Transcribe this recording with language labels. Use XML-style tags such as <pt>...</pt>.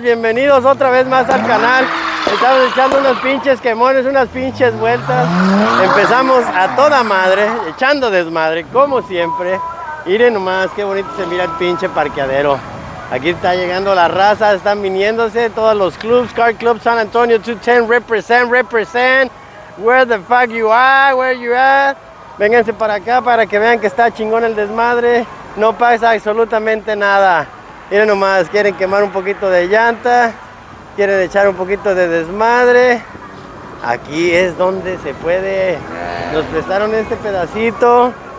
<es>Bienvenidos otra vez más al canal. Estamos echando unos pinches quemones, unas pinches vueltas. Empezamos a toda madre, echando desmadre, como siempre. Miren nomás, qué bonito se mira el pinche parqueadero. Aquí está llegando la raza, están viniéndose todos los clubs, Car Club San Antonio 210,</es> <en>represent, represent. Where the fuck you are, where you are.</en> <es>Vénganse para acá para que vean que está chingón el desmadre. No pasa absolutamente nada. Miren nomás, quieren quemar un poquito de llanta, quieren echar un poquito de desmadre. Aquí es donde se puede. Nos prestaron este pedacito.</es>